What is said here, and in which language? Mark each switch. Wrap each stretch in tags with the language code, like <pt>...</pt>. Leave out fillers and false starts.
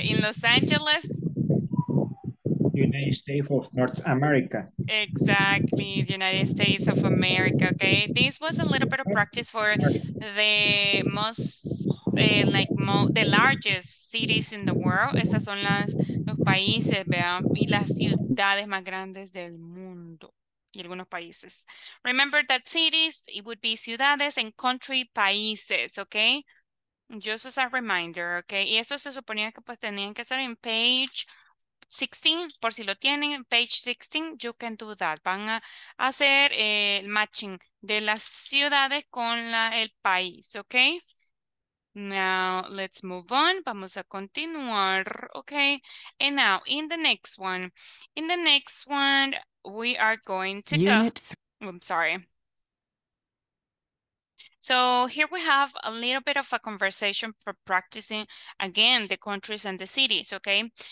<en>In Los Angeles? United States of North America. Exactly. United States of America. Okay. This was a little bit of practice for the most, the largest cities in the world.</en> <es>Esas son las, los países, vean, y las ciudades más grandes del mundo. Y algunos países.</es> <en>Remember that cities, it would be ciudades and country países. Okay. Just as a reminder, okay?</en> <es>Y eso se suponía que pues tenían que hacer en page 16, por si lo tienen, page 16,</es> <en>you can do that.</en> <es>Van a hacer el matching de las ciudades con la, el país, okay?</es> <en>Now, let's move on.</en> <es>Vamos a continuar, okay?</es> <en>And now, in the next one, we are going to Unit go. I'm sorry. So here we have a little bit of a conversation for practicing, again, the countries and the cities, okay?</en>